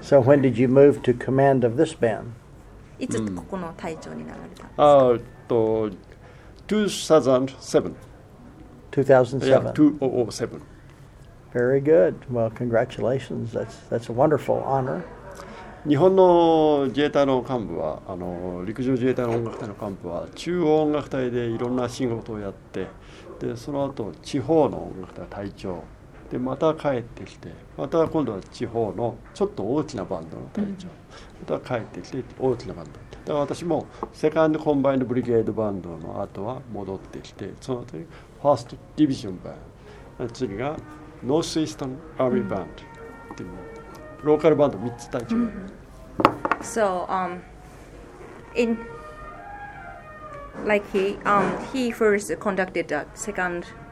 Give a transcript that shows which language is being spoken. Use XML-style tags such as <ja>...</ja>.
<en>So when did you move to command of this band?</en> <ja>いつここの隊長になられたんです</ja> <en>か?2007. 2007. Yeah, 2007. Very good. Well, congratulations. That's a wonderful honor.</en> <ja>日本の自衛隊の幹部は、あの陸上自衛隊の音楽隊の幹部は、中央音楽隊でいろんな仕事をやって、でその後地方の音楽隊隊長で、また帰ってきて、また今度は地方のちょっと大きなバンドの隊長、また帰ってきて大きなバンド。だから私もセカンドコンバインドブリゲードバンドの後は戻ってきて、その後にファーストディビジョンバンド、次がノースイースタンアーミーバンドっていう。</ja> <en>Local band, three types. Mm-hmm. So, in like he first conducted the second</en>